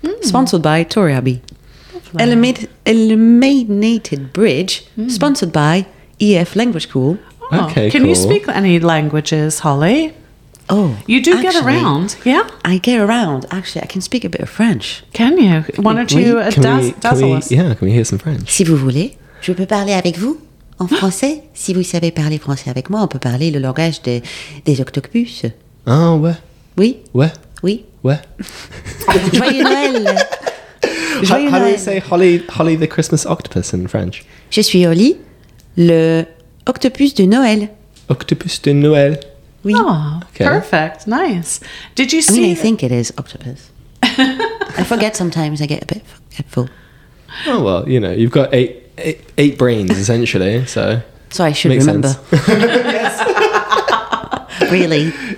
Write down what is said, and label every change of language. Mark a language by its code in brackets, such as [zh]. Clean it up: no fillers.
[en] Sponsored by Tori Abbey. Illuminated bridge, sponsored by EF Language School. Can you speak any languages, Holly? Oh, you do get around, yeah? I get around. Actually, I can speak a bit of French. Can you? Why don't you dazzle us? Can we hear some French? [fr] Si vous voulez, je peux parler avec vous en français. Si vous savez parler français avec moi, on peut parler le langage des octopus. Ah, ouais. Oui. Ouais. Oui. Ouais. Joyeux Noël. [en] How do you say [fr] Holly the Christmas octopus [en] in French? [fr] Je suis Holly, le octopus de Noël. Octopus de Noël. Oui. [en] Oh, okay. Perfect. Nice. Did you see... I mean, I think it is octopus. I forget sometimes. I get a bit forgetful. Oh, well, you know, you've got eight brains, essentially, so... So I should remember. Yes. Really?